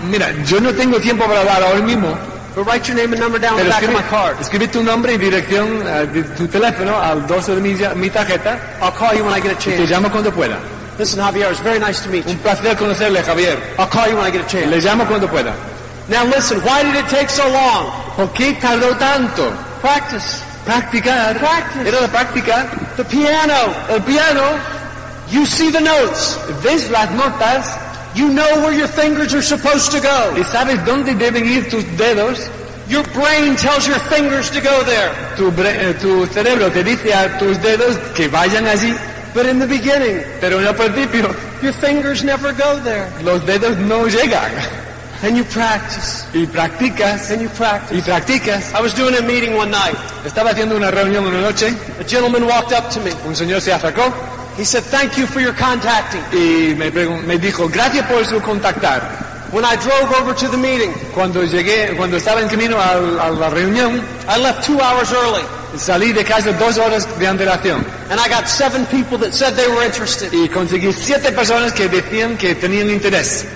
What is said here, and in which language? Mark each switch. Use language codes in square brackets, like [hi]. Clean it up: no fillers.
[es] Mira, yo no tengo tiempo para hablar ahora mismo. [en] But write your name and number down [es] pero [en] on the back of my card. [es] Escribe tu nombre y dirección de tu teléfono al dorso de mi tarjeta. [en] I'll call you when I get a chance. [es] Y te llamo cuando pueda. [en] Listen, Javier, it's very nice to meet you. [es] Un placer conocerle, Javier. [en] I'll call you when I get a chance. [es] Le llamo cuando pueda. [en] Now listen, why did it take so long? [es] ¿Por qué tardó tanto? [en] Practice. [es] Practicar. [en] Practice. [es] Era la práctica. [en] The piano. [es] El piano. [en] You see the notes. [es] Ves las notas. [en] You know where your fingers are supposed to go. [es] Y sabes dónde deben ir tus dedos. [en] Your brain tells your fingers to go there. [es] Tu cerebro te dice a tus dedos que vayan allí. [en] But in the beginning. [es] Pero en el principio. [en] Your fingers never go there. [es] Los dedos no llegan. [en] And you practice. [es] Y practicas. [en] And you practice. [es] Y practicas. [en] I was doing a meeting one night. [es] Estaba haciendo una reunión una noche. [en] A gentleman walked up to me. [es] Un señor se acercó. [en] He said, "Thank you for your contacting." [es] Y me dijo, "Gracias por su contactar." [en] When I drove over to the meeting, [es] cuando estaba en camino a la reunión, [en] I left 2 hours early. [es] Salí de casa 2 horas de antelación. [en] And I got 7 people that said they were interested. [es] Y conseguí 7 personas que decían que tenían interés.